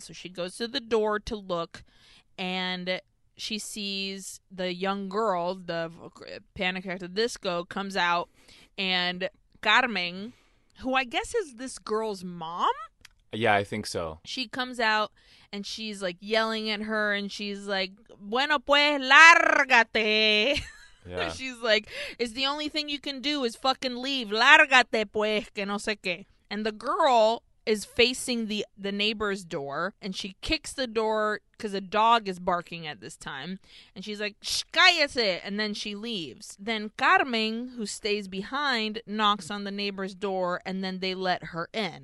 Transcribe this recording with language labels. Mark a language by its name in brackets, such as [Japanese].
[English] So she goes to the door to look, and she sees the young girl, the Panic at the Disco, comes out, and Carmen, who I guess is this girl's mom? Yeah, I think so. She comes out, and she's, like, yelling at her, and she's like, [Spanish] bueno, pues, lárgate. [English] Yeah. She's like, it's the only thing you can do is fucking leave. [Spanish] Lárgate, pues, que no sé qué. [English] And the girl is facing the neighbor's door, and she kicks the door because a dog is barking at this time. And she's like, shh, [Spanish] cállese, [English] and then she leaves. Then Carmen, who stays behind, knocks on the neighbor's door, and then they let her in.